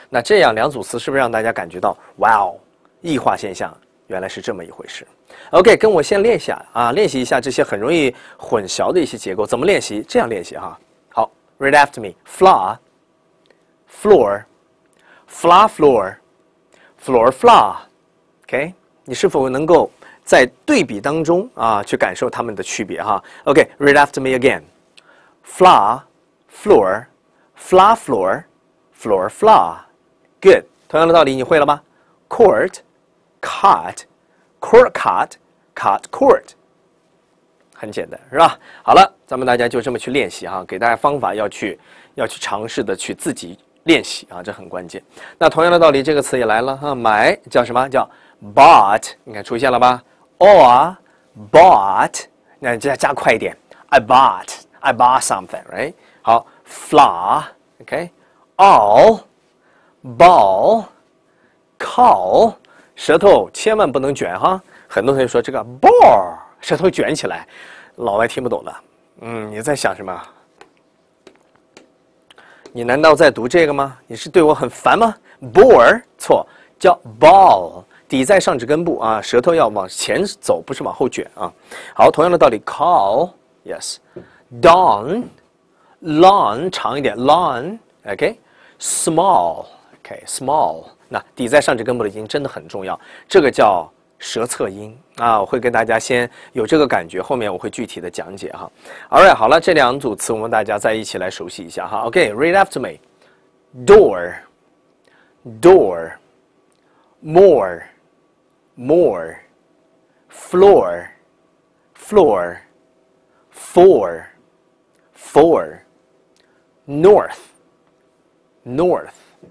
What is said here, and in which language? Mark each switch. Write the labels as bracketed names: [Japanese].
[Chinese] 那这样两组词是不是让大家感觉到，哇哦，异化现象原来是这么一回事 ？OK， 跟我先练一下啊，练习一下这些很容易混淆的一些结构，怎么练习？这样练习哈。好 ， [English] read after me， [Chinese] flaw，floor，flaw，floor。 Floor, flaw, OK， 你是否能够在对比当中啊去感受它们的区别哈 ？ [English] OK, read after me again. Flaw, floor, flaw, floor, floor, flaw. Good. [Chinese] 同样的道理，你会了吗 ？ [English] Court, cut, court, cut, cut, court. [Chinese] 很简单，是吧？好了，咱们大家就这么去练习哈，给大家方法要去尝试的去自己。练习啊，这很关键。那同样的道理，这个词也来了哈、啊。买叫什么？叫 bought， 你看出现了吧 ？Or bought， 那加快一点。 [English] I bought something， right？ 好 ，flaw， OK， all， ball， call， [Chinese] 舌头千万不能卷哈。很多同学说这个 ball 舌头卷起来，老外听不懂的。嗯，你在想什么？你难道在读这个吗？你是对我很烦吗 ？Bore 错，叫 ball， 抵在上指根部啊，舌头要往前走，不是往后卷啊。好，同样的道理 ，call yes，dawn [English] long 长一点 long，OK，small，OK，small。 [Chinese] 那抵在上齿根部的音真的很重要，这个叫舌侧音啊，我会跟大家先有这个感觉，后面我会具体的讲解哈。 [English] All right， [Chinese] 好了，这两组词我们大家再一起来熟悉一下哈。 [English] OK， read after me， door， door， more， more， floor， floor， four， four， north， north。